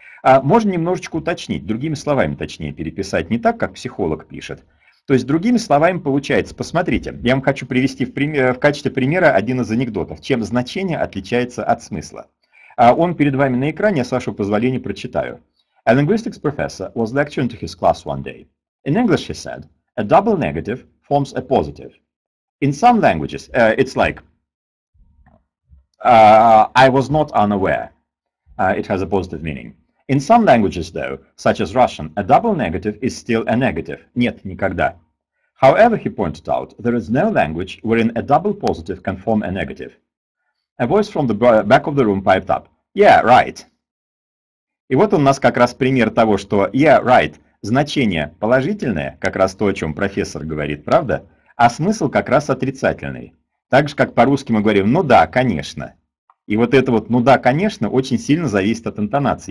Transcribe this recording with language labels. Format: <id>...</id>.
<ru>А можно немножечко уточнить, другими словами точнее переписать, не так, как психолог пишет. То есть другими словами получается, посмотрите, я вам хочу привести в качестве примера один из анекдотов, чем значение отличается от смысла. Он перед вами на экране, я с вашего позволения прочитаю.</ru> <en>A linguistics professor was lecturing to his class one day. In English, he said, a double negative forms a positive. In some languages, it's like, I was not unaware. It has a positive meaning. In some languages, though, such as Russian, a double negative is still a negative.</en> <ru>Нет, никогда.</ru> <en>However, he pointed out, there is no language wherein a double positive can form a negative. A voice from the back of the room piped up. Yeah, right.</en> <ru>И вот у нас как раз пример того, что</ru> <en>yeah, right,</en> <ru>значение положительное, как раз то, о чем профессор говорит, правда? А смысл как раз отрицательный. Так же, как по-русски мы говорим, ну да, конечно. И вот это вот, ну да, конечно, очень сильно зависит от интонации.</ru>